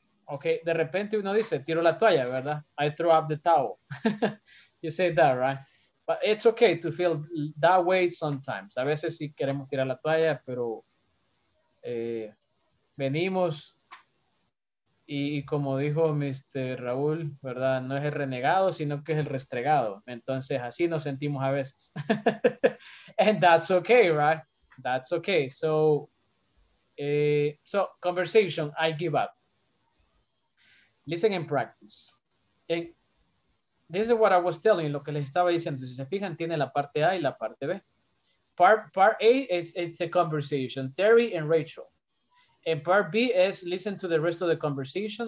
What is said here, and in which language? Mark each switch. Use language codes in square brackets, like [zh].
[es] Okay, de repente uno dice, tiro la toalla, ¿verdad? [en] I throw up the towel. You say that, right? But it's okay to feel that way sometimes. [es] A veces sí queremos tirar la toalla, pero venimos y como dijo Mr. Raúl, ¿verdad? No es el renegado, sino que es el restregado. Entonces, así nos sentimos a veces. [en] And that's okay, right? That's okay. So, so conversation, I give up. Listen and practice. And this is what I was telling, [es] lo que les estaba diciendo. Si se fijan, tiene la parte A y la parte B. [en] Part A is it's a conversation, Terry and Rachel. And part B is listen to the rest of the conversation.